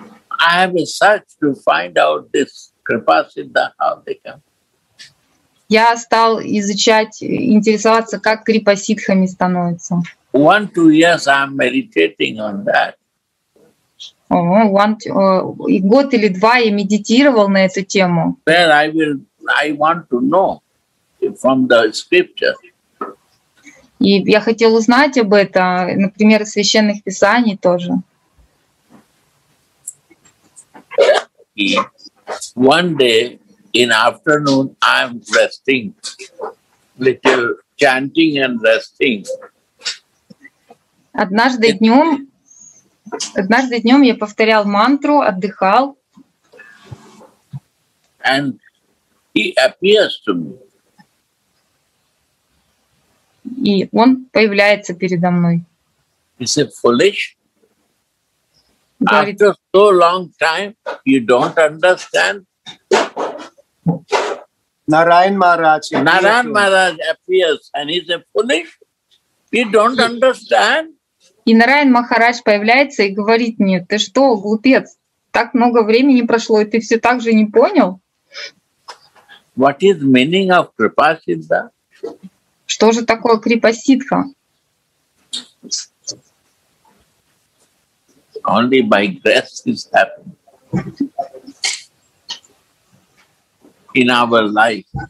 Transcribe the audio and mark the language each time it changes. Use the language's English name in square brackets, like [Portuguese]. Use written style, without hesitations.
[English] I have a search to find out this kripa siddha, how they come. [Russian] Я стал изучать, интересоваться, как крипа ситхами становится. [English] 1-2 years I'm meditating on that. [Russian] Год или два я медитировал на эту тему. [English] Well, I want to know from the scripture. [Russian] И я хотел узнать об этом, например, из священных писаний тоже. [English] One day in afternoon I'm resting, little chanting and resting. [Russian] Однажды днём я повторял мантру, отдыхал. [English] And he appears to me. [Russian] И он появляется передо мной. [English] Is it foolish? [Russian] Говорит, [English] after so long time, you don't understand? Narayan Maharaj appears and he's a foolish? You don't understand? [Russian] И Нараян Махарадж появляется и говорит мне, ты что, глупец, так много времени прошло, и ты все так же не понял? [English] What is meaning of kripa siddha? [Russian] Что же такое крипа ситха? [English] Only by grace is happening in our life.